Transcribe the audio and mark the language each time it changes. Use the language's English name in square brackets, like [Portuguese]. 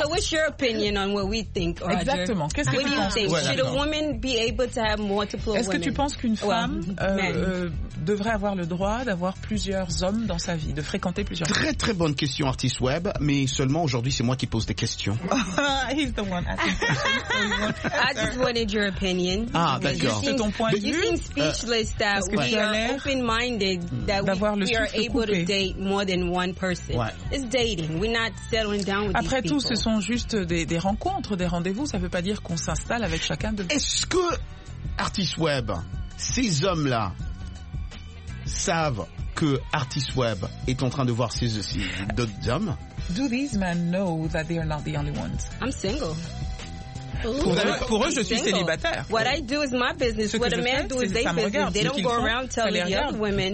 [English] So what's your opinion on what we think, Roger? [French] Exactement. Qu'est-ce que tu penses? [English] What do you think? Should a woman be able to have multiple women? [French] Est-ce que tu penses qu'une femme devrait avoir le droit d'avoir plusieurs hommes dans sa vie, de fréquenter plusieurs hommes? Très, très bonne question, Artist Web, mais seulement aujourd'hui, c'est moi qui pose des questions. [English] He's the one asking questions. I just wanted your opinion. [French] Ah, d'accord. C'est ton point de vue? [English] You seem speechless that we are open-minded, that we are able to date more than one person. [French] Ouais. [English] It's dating. We're not settling down with [French] Après tout, ce sont juste des rencontres, des rendez-vous. Ça ne veut pas dire qu'on s'installe avec chacun de... Est-ce que, Artist Web, ces hommes-là savent que Artist Web est en train de voir d'autres hommes? [English] Do these men know that they are not the only ones? I'm single. [French] Pour eux, je suis célibataire. [English] What I do is my business. What a man do is their business. They don't go around telling the other women.